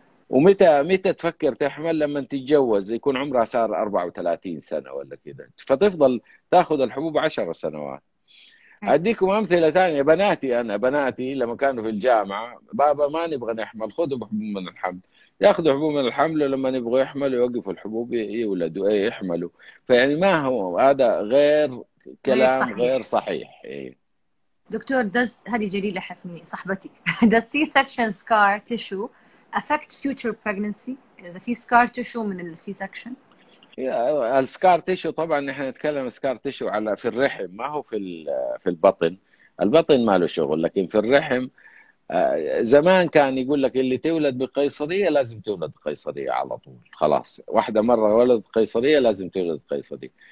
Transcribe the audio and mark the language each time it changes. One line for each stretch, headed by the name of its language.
Arabic: ومتى تفكر تحمل؟ لما تتجوز يكون عمرها صار 34 سنه ولا كذا، فتفضل تاخذ الحبوب 10 سنوات. اديكم امثله ثانيه، بناتي لما كانوا في الجامعه، بابا ما نبغى نحمل خذوا حبوب من الحمل، ياخذوا حبوب من الحمل لما يبغوا يحملوا يوقفوا الحبوب يولدوا ايه يحملوا. فيعني ما هو هذا غير غير كلام صحيح. غير صحيح. ايه دكتور
English: does
Arabic: هذه جليلة حفني صاحبتي
English: does C section scar tissue affect future pregnancy
Arabic: إذا في
English: scar tissue
Arabic: من ال
English: C section؟
Arabic: السكار تيشو، طبعا نحن نتكلم سكار تيشو على في الرحم، ما هو في البطن ما له شغل، لكن في الرحم زمان كان يقول لك اللي تولد بقيصرية لازم تولد بقيصرية على طول، خلاص واحدة مرة ولدت قيصرية لازم تولد قيصرية.